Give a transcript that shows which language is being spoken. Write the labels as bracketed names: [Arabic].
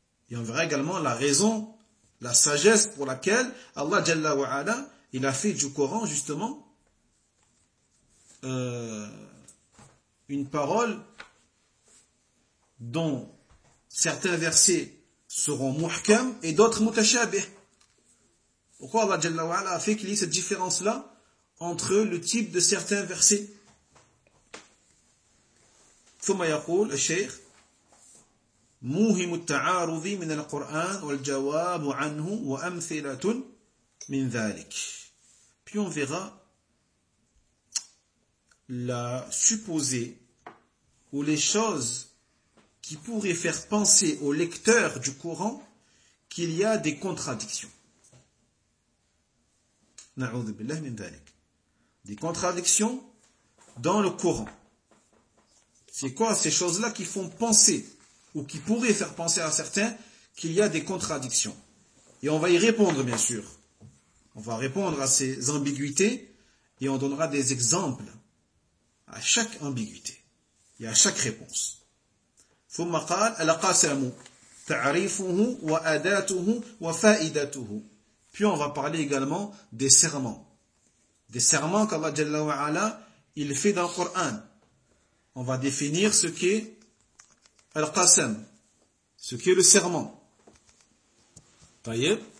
[French] Et on verra également la raison, la sagesse pour laquelle Allah Jalla wa Ala, il a fait du Coran justement une parole dont certains versets seront muhkam et d'autres mutashabih. Pourquoi Allah Jalla wa Ala a fait qu'il y ait cette différence-là entre le type de certains versets. [Arabic] ثم يقول الشيخ موهم التعارض من القرآن والجواب عنه وأمثلة من ذلك. [French] Puis on verra la supposée ou les choses qui pourraient faire penser au lecteur du Coran qu'il y a des contradictions. [Arabic] نعوذ بالله من ذلك. [French] Des contradictions dans le Coran. C'est quoi ces choses-là qui font penser ou qui pourraient faire penser à certains qu'il y a des contradictions? Et on va y répondre, bien sûr. On va répondre à ces ambiguïtés et on donnera des exemples à chaque ambiguïté et à chaque réponse. [Arabic] ثم قال القسم تعريفه وأداته وفائدته. [French] Puis on va parler également des serments. Des serments qu'Allah Jalla wa Ala, il fait dans le Coran. On va définir ce qu'est Al-Qasam, ce qu'est le serment. Tayyib.